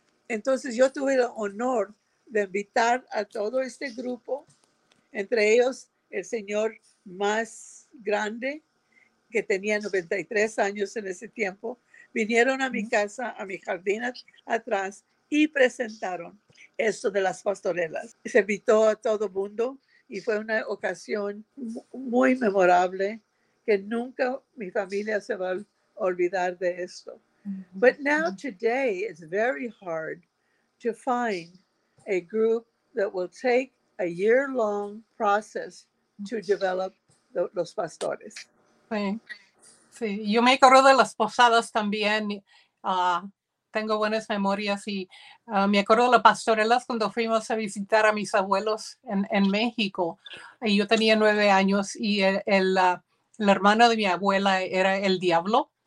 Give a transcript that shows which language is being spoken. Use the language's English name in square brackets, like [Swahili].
[Spanish] Entonces yo tuve el honor de invitar a todo este grupo, entre ellos el señor más grande, que tenía 93 años en ese tiempo, vinieron a mi casa, a mi jardín atrás, y presentaron esto de las pastorelas. Se invitó a todo mundo y fue una ocasión muy memorable que nunca mi familia se va a olvidar de esto. Mm-hmm. [English] But now today it's very hard to find a group that will take a year-long process to develop [Spanish] los pastores. Sí, yo me acuerdo de las posadas también. Tengo buenas memorias y me acuerdo de las pastorelas cuando fuimos a visitar a mis abuelos en México. Y yo tenía 9 años y el hermano de mi abuela era el diablo.